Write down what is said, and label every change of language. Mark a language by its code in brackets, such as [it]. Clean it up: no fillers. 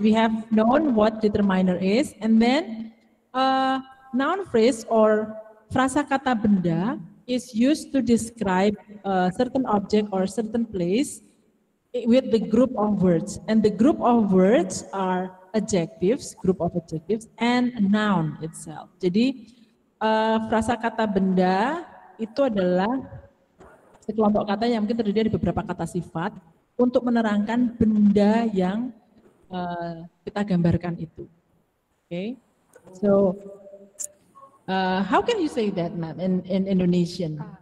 [en] We have known what determiner is, and then noun phrase or [id] frasa kata benda [en] is used to describe a certain object or a certain place with the group of words. And the group of words are adjectives, group of adjectives, and noun itself. [id] Jadi, frasa kata benda itu adalah sekelompok kata yang mungkin terdiri dari beberapa kata sifat untuk menerangkan benda yang kita gambarkan itu. [en] Okay, so how can you say that, ma'am, in Indonesian?